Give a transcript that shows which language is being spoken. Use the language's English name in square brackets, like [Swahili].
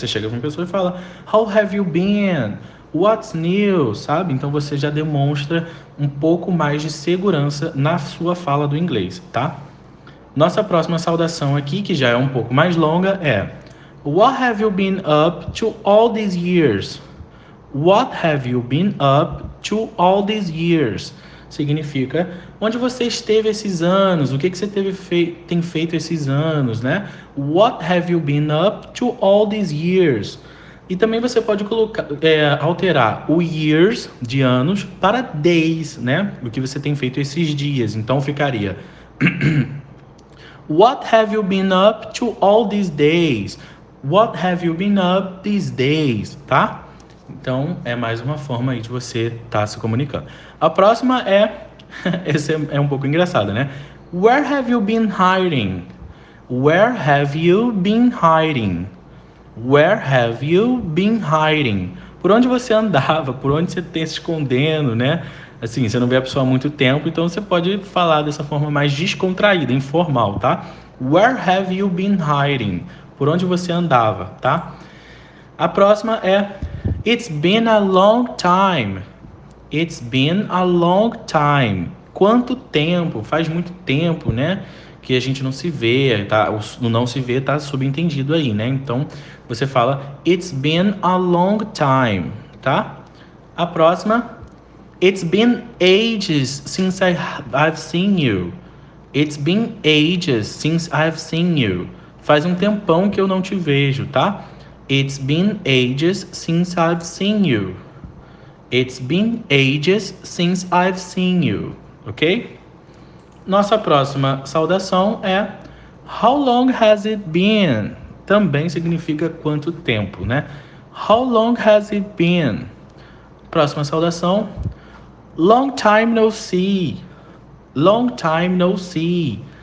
[Portuguese] Você chega com uma pessoa e fala, [English] how have you been? What's new? [Portuguese] Sabe? Então você já demonstra um pouco mais de segurança na sua fala do inglês, tá? Nossa próxima saudação aqui, que já é um pouco mais longa, é [English] What have you been up to all these years? What have you been up to all these years? [Portuguese] Significa, onde você esteve esses anos? O que, que você tem feito esses anos, né? [English] What have you been up to all these years? [Portuguese] E também você pode colocar, alterar o years, de anos, para days, né? O que você tem feito esses dias. Então ficaria [English] What have you been up to all these days? What have you been up these days? [Portuguese] Tá? Então, é mais uma forma aí de você estar se comunicando. A próxima é... Esse é um pouco engraçado, né? [English] Where have you been hiding? Where have you been hiding? Where have you been hiding? [Portuguese] Por onde você andava? Por onde você está se escondendo, né? Assim, você não vê a pessoa há muito tempo, então você pode falar dessa forma mais descontraída, informal, tá? [English] Where have you been hiding? [Portuguese] Por onde você andava, tá? A próxima é... [English] It's been a long time. It's been a long time. [Portuguese] Quanto tempo? Faz muito tempo, né? Que a gente não se vê, tá? O não se vê tá subentendido aí, né? Então, você fala... [English] It's been a long time, [Portuguese] tá? A próxima... [English] It's been ages since I've seen you. It's been ages since I've seen you. [Portuguese] Faz um tempão que eu não te vejo, tá? [English] It's been ages since I've seen you. It's been ages since I've seen you. Ok? [Portuguese] Nossa próxima saudação é [English] How long has it been? [Portuguese] Também significa quanto tempo, né? [English] How long has it been? [Portuguese] Próxima saudação. [English] Long time no see. Long time no see.